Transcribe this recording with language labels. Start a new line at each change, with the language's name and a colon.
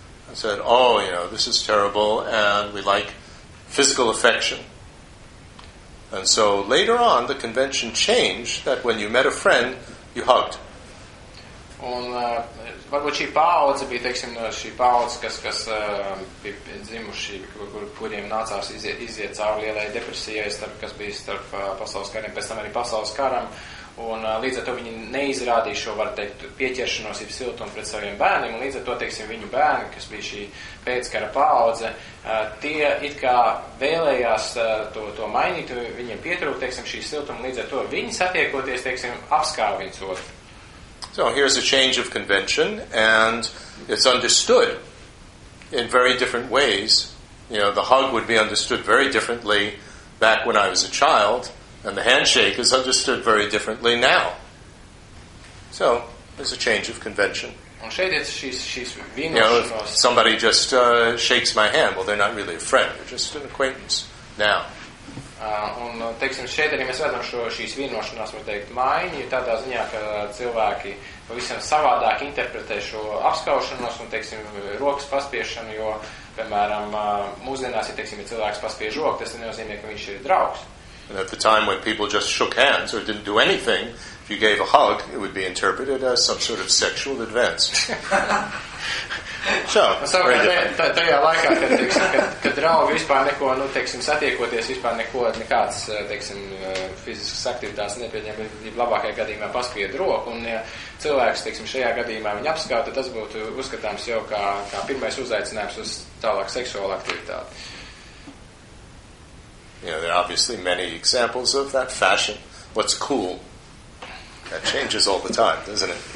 English: I said, oh, you know, this is terrible, and we like physical affection. And so later on, the convention changed that when you met a friend, you hugged.
Latvian: Un varbūt šī paudze bija, teiksim, šī paudze, kas bija dzimuši, kuriem nācās iziet cauri lielai depresijai, kas bija starp pasaules kariem, pēc tam arī pasaules karam, un līdz ar to viņi neizrādīja šo, var teikt, pieķeršanos ir siltumu pret saviem bērniem, un līdz ar to, teiksim, viņu bērni, kas bija šī pēckara paudze, tie it kā vēlējās to mainīt, viņiem pietrūk, teiksim, šī siltuma, līdz ar to viņi satiekoties, teiksim, apskāv viens otru.
English: So here's a change of convention, and it's understood in very different ways. You know, the hug would be understood very differently back when I was a child, and the handshake is understood very differently now. So there's a change of convention.
Latvian: Un šeit ir šīs vienošanos.
English: You know, somebody just shakes my hand. Well, they're not really a friend. They're just an acquaintance now.
Latvian: Un, teiksim, šeit arī mēs redzam šīs vienošanās, var teikt, maiņu, tādā ziņā, ka cilvēki pavisam savādāk interpretē šo apskaušanos un, teiksim, rokas paspiešanu, jo, piemēram, mūsdienās, ja, teiksim, ir cilvēks paspiež roku, tas nenozīmē, ka viņš ir draugs.
English: And at the time when people just shook hands or didn't do anything, if you gave a hug, it would be interpreted as some sort of sexual advance. So
Latvian: very tajā laikā, kad, teiksim, kad draugi vispār neko, nu, teiksim, satiekoties, vispār neko, nekāds, teiksim, fiziskas aktivitātes nepieņem, labākajā gadījumā paspied roku, un ja cilvēks, teiksim, šajā gadījumā viņu apskaut, tad tas būtu uzskatāms jau kā pirmais uzaicinājums uz tālāku seksuālu aktivitāti.
English: You know, there are obviously many examples of that fashion. What's cool? That changes all the time, doesn't it?